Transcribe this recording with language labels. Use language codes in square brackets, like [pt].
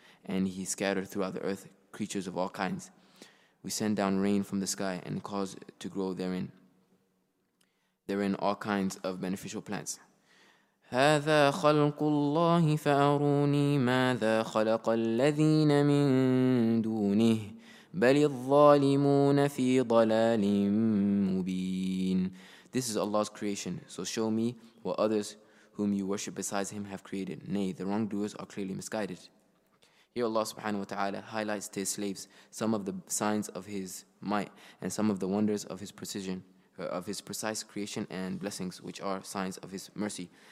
[en] And he scattered throughout the earth creatures of all kinds. We send down rain from the sky and cause to grow therein all kinds of beneficial plants. [ar] هذا خلق الله فأروني ماذا خلق الذين من دونه بل الظالمون في ضلال مبين. [en] This is Allah's creation, so show me what others whom you worship besides Him have created. Nay, the wrongdoers are clearly misguided. Here Allah subhanahu wa ta'ala highlights to His slaves some of the signs of His might and some of the wonders of His precision, of his precise creation and blessings, which are signs of his mercy.